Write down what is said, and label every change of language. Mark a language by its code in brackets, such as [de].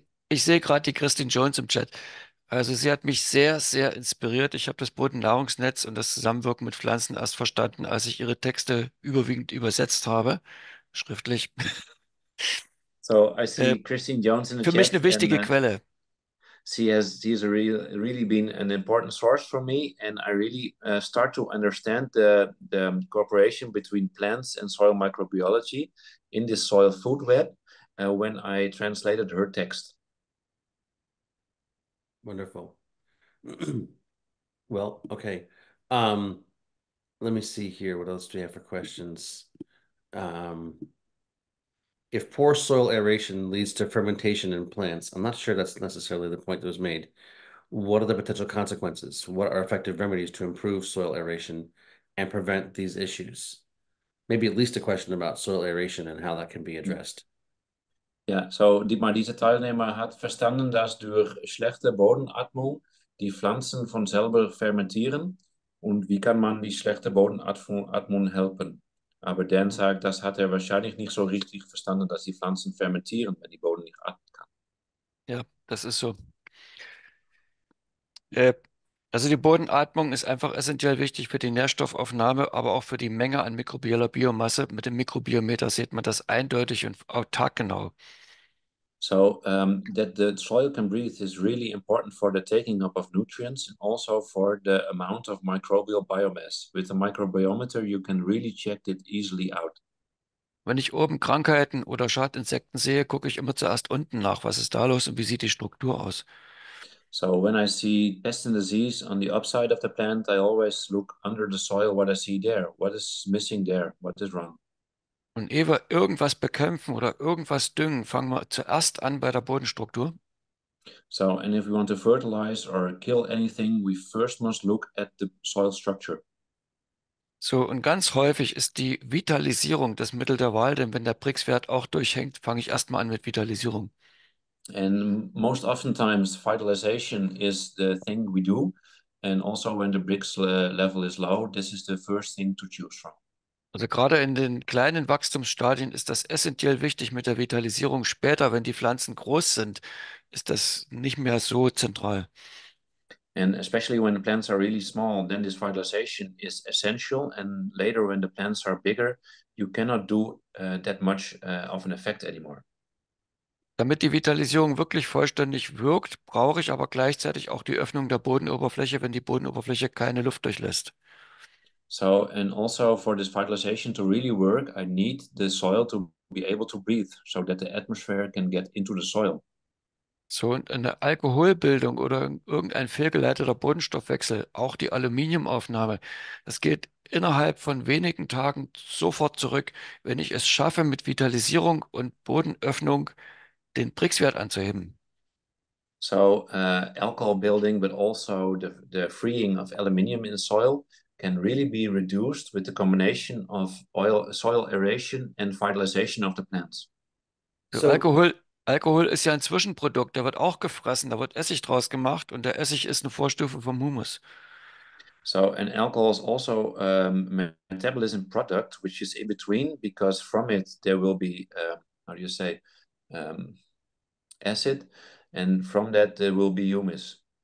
[de] Ich sehe gerade die Christine Jones im Chat. Also sie hat mich sehr, sehr inspiriert. Ich habe das Bodennahrungsnetz und das Zusammenwirken mit Pflanzen erst verstanden, als ich ihre Texte überwiegend übersetzt habe, schriftlich. [en] So I see Christine Jones in the [de] für [en] chat. [de] Für mich eine wichtige Quelle. [en] she's really been an important source for me, and I really start to understand the cooperation between plants and soil microbiology in the soil food web when I translated her text. Wonderful. Well, okay. Let me see here. What else do you have for questions? If poor soil aeration leads to fermentation in plants, I'm not sure that's necessarily the point that was made. What are the potential consequences? What are effective remedies to improve soil aeration and prevent these issues? Maybe at least a question about soil aeration and how that can be addressed. [de] Ja, so Dietmar, diese Teilnehmer hat verstanden, dass durch schlechte Bodenatmung die Pflanzen von selber fermentieren. Und wie kann man die schlechte Bodenatmung helfen? Aber Dan sagt, das hat er wahrscheinlich nicht so richtig verstanden, dass die Pflanzen fermentieren, wenn die Boden nicht atmen kann. Ja, das ist so. Also die Bodenatmung ist einfach essentiell wichtig für die Nährstoffaufnahme, aber auch für die Menge an mikrobieller Biomasse. Mit dem Mikrobiometer sieht man das eindeutig und autark genau. [en] So, that the soil can breathe is really important for the taking up of nutrients and also for the amount of microbial biomass. With a microbiometer, you can really check it easily out. [de] Wenn ich oben Krankheiten oder Schadinsekten sehe, gucke ich immer zuerst unten nach. Was ist da los und wie sieht die Struktur aus? [en] So, when I see pest and disease on the upside of the plant, I always look under the soil, what I see there. What is missing there? What is wrong? [de] Und ehe wir irgendwas bekämpfen oder irgendwas düngen, fangen wir zuerst an bei der Bodenstruktur. [en] So, and if we want to fertilize or kill anything, we first must look at the soil structure. [de] So, und ganz häufig ist die Vitalisierung das Mittel der Wahl, denn wenn der Prix-Wert auch durchhängt, fange ich erstmal an mit Vitalisierung. [en] And most oftentimes vitalization is the thing we do. And also when the Brix level is low, this is the first thing to choose from. [de] Also gerade in den kleinen Wachstumsstadien ist das essentiell wichtig mit der Vitalisierung. Später, wenn die Pflanzen groß sind, ist das nicht mehr so zentral. [en] And especially when the plants are really small, then this vitalization is essential. And later when the plants are bigger, you cannot do that much of an effect anymore. [de] Damit die Vitalisierung wirklich vollständig wirkt, brauche ich aber gleichzeitig auch die Öffnung der Bodenoberfläche, wenn die Bodenoberfläche keine Luft durchlässt. [en] So, and also for this vitalization to really work, I need the soil to be able to breathe, so that the atmosphere can get into the soil. [de] So, und eine Alkoholbildung oder irgendein fehlgeleiteter Bodenstoffwechsel, auch die Aluminiumaufnahme, das geht innerhalb von wenigen Tagen sofort zurück, wenn ich es schaffe mit Vitalisierung und Bodenöffnung, den Prix-Wert anzuheben. [en] So, alcohol building, but also the freeing of aluminium in soil can really be reduced with the combination of soil aeration and vitalization of the plants. [de] So, Alkohol ist ja ein Zwischenprodukt, der wird auch gefressen, da wird Essig draus gemacht und der Essig ist eine Vorstufe vom Humus. [en] So, and alcohol is also a metabolism product, which is in between, because from it there will be, how do you say, acid, and from that there will be humus.